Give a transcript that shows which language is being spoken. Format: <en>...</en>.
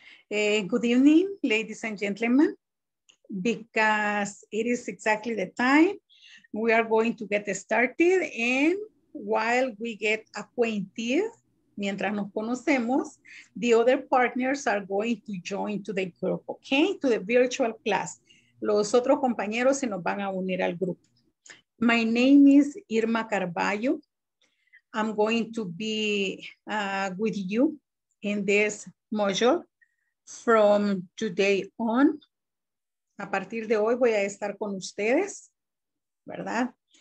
<en>Good evening, ladies and gentlemen. Because it is exactly the time, we are going to get started. And while we get acquainted,</en> <es>mientras nos conocemos,</es> <en>the other partners are going to join to the group, okay? To the virtual class.</en> <es>Los otros compañeros se nos van a unir al grupo.</es> <en>My name is Irma Carballo. I'm going to be with you in this module from today on.</en> <es>A partir de hoy voy a estar con ustedes, ¿verdad?</es>